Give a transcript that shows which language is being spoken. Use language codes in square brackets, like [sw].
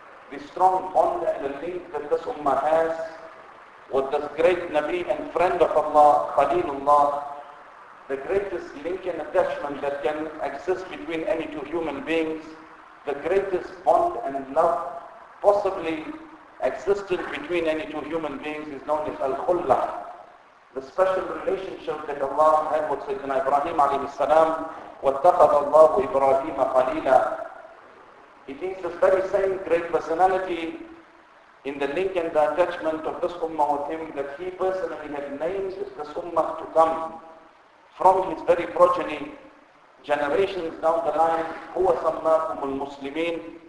[en] the strong bond and the link that this ummah has with this great Nabi and friend of Allah, Khalilullah, the greatest link and attachment that can exist between any two human beings, the greatest bond and love possibly existent between any two human beings is known as Al-Khullah, the special relationship that Allah had with Sayyidina Ibrahim alayhi salam. [ar] واتخذ الله إبراهيم خليلا. [en] It is the very same great personality in the link and the attachment of this ummah with him that he personally had named this ummah to come from his very progeny, generations down the line. [ar] هو سماكم المسلمين.